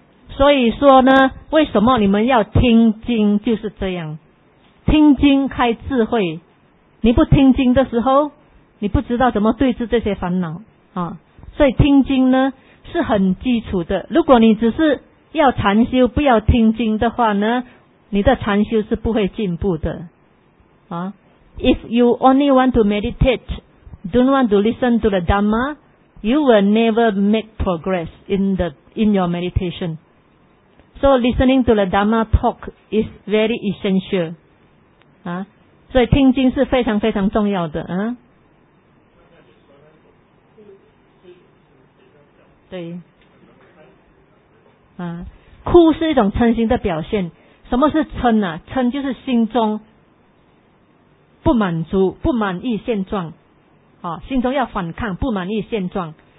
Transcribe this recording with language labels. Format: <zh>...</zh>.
<zh>所以说呢为什么你们要听经，就是这样，听经开智慧。你不听经的时候你不知道怎么对治这些烦恼啊，所以听经呢是很基础的。如果你只是要禅修不要听经的话呢，你的禅修是不会进步的啊。</zh> <en>If you only want to meditate, don't want to listen to the Dhamma, you will never make progress in your meditation. So listening to the Dhamma talk is very essential.</en> <zh>所以听经是非常非常重要的。对。哭是一种嗔心的表现。什么是嗔呢？嗔就是心中不满足，不满意现状，心中要反抗，不满意现状。</zh>